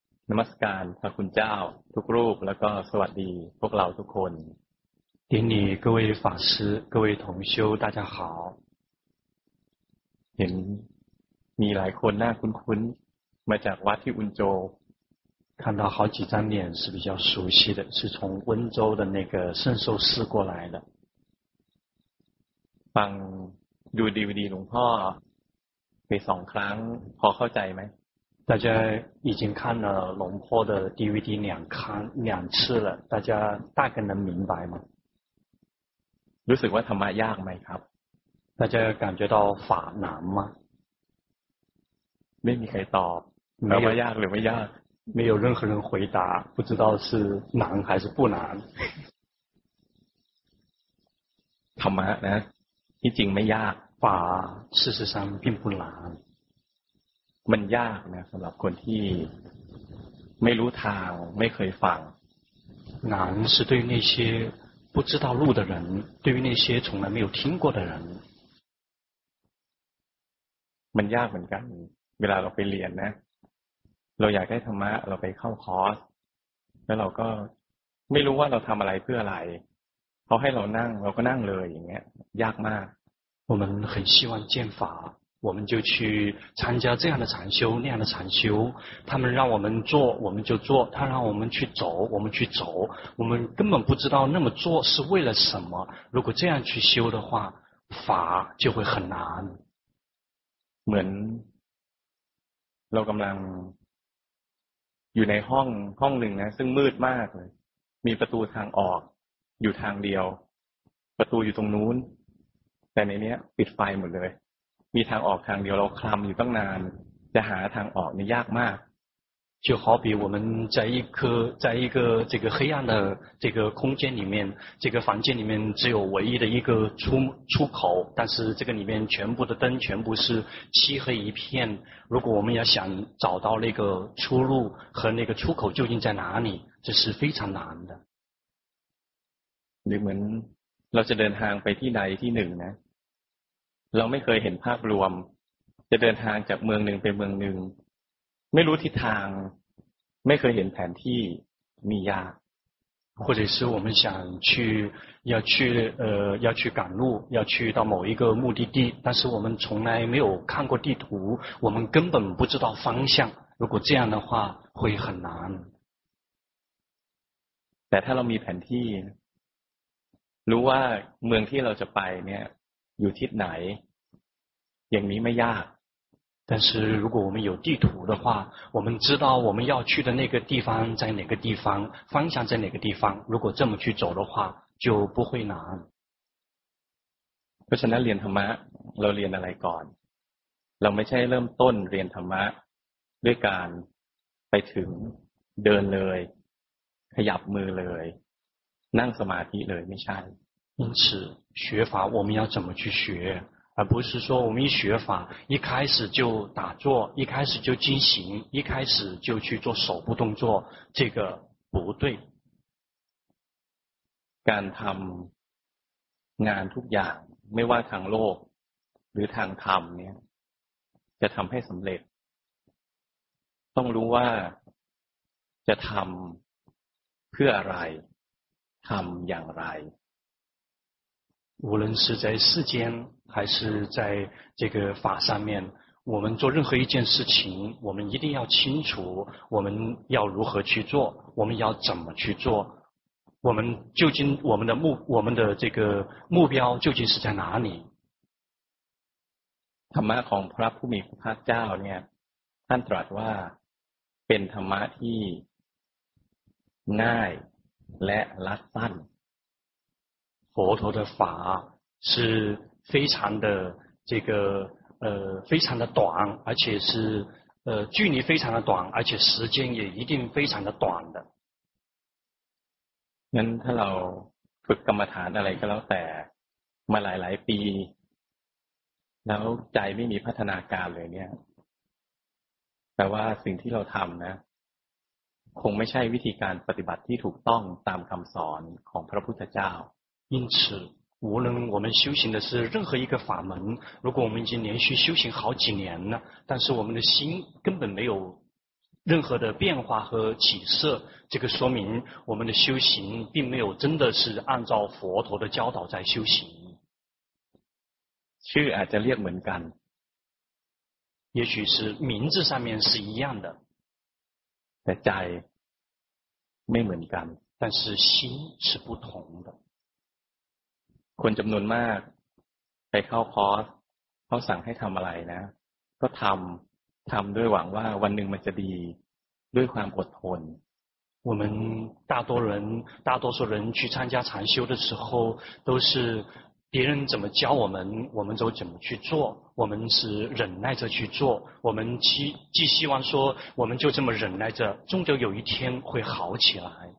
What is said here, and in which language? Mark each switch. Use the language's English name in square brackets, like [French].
[Thai] นมัสการพระคุณเจ้าทุกรูปแล้วก็สวัสดีพวกเราทุกคน [Chinese] 顶礼各位法师各位同修大家好 [Thai] เห็นมีหลายคนหน้าคุ้นๆมาจากวัดที่อุนโจ [Chinese] 看到好几张脸是比较熟悉的是从温州的那个圣寿寺过来的 [Thai] ฟังดูดีวดีหลวงพ่อไปสองครั้งพอเข้าใจไหม [Chinese] 大家已经看了龙坡的 DVD 两次了大家大概能明白吗 [Thai] รู้สึกว่าธรรมะยากไหมครับ [Chinese] 大家感觉到法难吗 [Thai] ไม่มีใครตอบธรรมะยากหรือไม่ยาก [Chinese] 没有任何人回答不知道是难还是不难 [Thai] ธรรมะนะที่จริงไม่ยาก [Chinese] 法事实上并不难 [Thai] มันยากนะสำหรับคนที่ไม่รู้ทางไม่เคยฟัง [Chinese] 难是对那些不知道路的人对于那些从来没有听过的人 [Thai] มันยากเหมือนกันเวลาเราไปเรียนนะเราอยากได้ธรรมะเราไปเข้าคอร์สแล้วเราก็ไม่รู้ว่าเราทำอะไรเพื่ออะไรเขาให้เรานั่งเราก็นั่งเลยอย่างเงี้ยยากมาก [Chinese] 我们很希望见法我们就去参加这样的禅修那样的禅修他们让我们做我们就做他让我们去走我们去走我们根本不知道那么做是为了什么如果这样去修的话法就会很难 [Thai] เหมือนเรากำลังอยู่ในห้องหนึ่งนะซึ่งมืดมากเลยมีประตูทางออกอยู่ทางเดียวประตูอยู่ตรงนู้นแต่ในนี้ปิดไฟหมดเลยมีทางออกทางเดียวเราคลำอยู่ตั้งนานจะหาทางออกนี่ยากมาก [Chinese] 就好比我们在一个这个黑暗的这个空间里面这个房间里面只有唯一的一个出口但是这个里面全部的灯全部是漆黑一片如果我们要想找到那个出路和那个出口究竟在哪里这是非常难的 [Thai] หรือเหมือนเราจะเดินทางไปที่ใดที่หนึ่งนะเราไม่เคยเห็นภาพรวมจะเดินทางจากเมืองหนึ่งไปเมืองหนึ่งไม่รู้ทิศทางไม่เคยเห็นแผนที่มียาก [Chinese] 或者是我们想去要去要去赶路要去到某一个目的地但是我们从来没有看过地图我们根本不知道方向如果这样的话会很难 [Thai] แต่ถ้าเรามีแผนที่รู้ว่าเมืองที่เราจะไปเนี่ยอยู่ทิศไหนอย่างนี้ไม่ยาก [Chinese] 但是如果我们有地图的话我们知道我们要去的那个地方在哪个地方方向在哪个地方如果这么去走的话就不会难 [Thai] เพราะฉะนั้นเรียนธรรมะเราเรียนอะไรก่อนเราไม่ใช่เริ่มต้นเรียนธรรมะด้วยการไปถึงเดินเลยขยับมือเลยนั่งสมาธิเลยไม่ใช่ [Chinese] 因此学法我们要怎么去学而不是说我们一学法一开始就打坐一开始就进行一开始就去做手部动作这个不对 [Thai] การทำงานทุกอย่างไม่ว่าทางโลกหรือทางธรรมเนี่ยจะทำให้สำเร็จต้องรู้ว่าจะทำเพื่ออะไรทำอย่างไร [Chinese] 无论是在世间还是在这个法上面我们做任何一件事情我们一定要清楚我们要如何去做我们要怎么去做我们究竟我们的这个目标究竟是在哪里 [Thai] ธรรมะของพระผู้มีพระภาคเจ้าเนี่ยท่านตรัสว่าเป็นธรรมะที่ง่ายและรัดสั้น [Chinese] 佛陀的法是非常的这个非常的短而且是距离非常的短而且时间也一定非常的短的 [Thai] งั้นถ้าเราฝึกกรรมฐานอะไรก็แล้วแต่มาหลายปีแล้วใจไม่มีพัฒนาการเลยเนี่ยแต่ว่าสิ่งที่เราทำนะคงไม่ใช่วิธีการปฏิบัติที่ถูกต้องตามคำสอนของพระพุทธเจ้า [Chinese] 因此无论我们修行的是任何一个法门如果我们已经连续修行好几年了但是我们的心根本没有任何的变化和起色，这个说明我们的修行并没有真的是按照佛陀的教导在修行。 [Thai] ชื่ออาจจะเรียกเหมือนกัน， [Chinese] 也许是名字上面是一样的， [Thai] แต่ใจไม่เหมือนกัน， [Chinese] 但是心是不同的。 [Thai] คนจำนวนมากไปเข้าคอร์สเขาสั่งให้ทำอะไรนะก็ทำด้วยหวังว่าวันหนึ่งมันจะดีด้วยความอดทน [Chinese] 我们大多数人去参加禅修的时候都是别人怎么教我们我们就怎么去做我们是忍耐着去做我们既希望说我们就这么忍耐着终究有一天会好起来